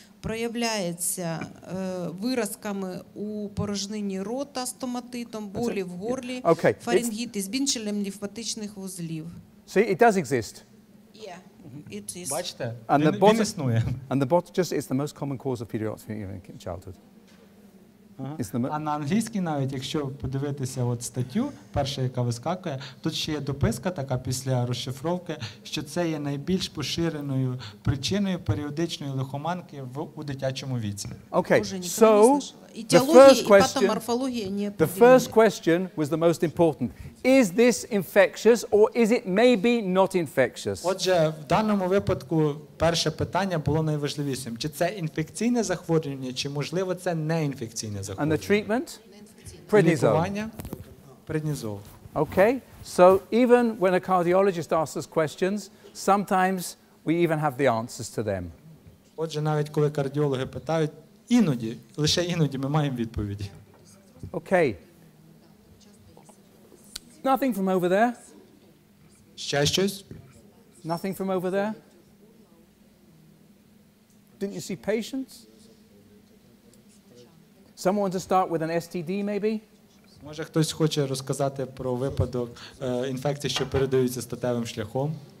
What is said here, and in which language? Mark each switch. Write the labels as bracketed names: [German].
[Ukrainian] Проявляється виразками у порожненні рота стоматитом, болі в горлі, [English] okay. [Ukrainian] Фарингіт і збільшенням лімфатичних вузлів. [English] See, it does exist. Yeah, it is. [Ukrainian] Бачите? [English] And the bottom, [Ukrainian] він існує. [English] And the bottom, just, it's the most common cause of periodontitis in childhood. [Ukrainian] А на англійській навіть, якщо подивитися от статтю, перша, яка вискакує, тут ще є дописка така після розшифровки, що це є найбільш поширеною причиною періодичної лихоманки у дитячому віці. [English] Окей, so, the first question, the first question was the most important. Is this infectious or is it maybe not infectious? [Ukrainian] Отже, в даному випадку перше питання було найважливішим. Чи це інфекційне захворювання, чи можливо це не інфекційне захворювання? [English] And the treatment? [Ukrainian] Преднизол. Лікування? Преднизол. [English] Okay, so even when a cardiologist asks us questions, sometimes we even have the answers to them. [Ukrainian] Отже, навіть коли кардіологи питають, іноді, лише іноді ми маємо відповіді. [English] Okay. Nothing from over there? [Ukrainian] Ще щось? [English] Nothing from over there? Didn't you see patients? Someone to start with an STD maybe? [Ukrainian] Може, хтось хоче розказати про випадок інфекції, що передаються статевим шляхом?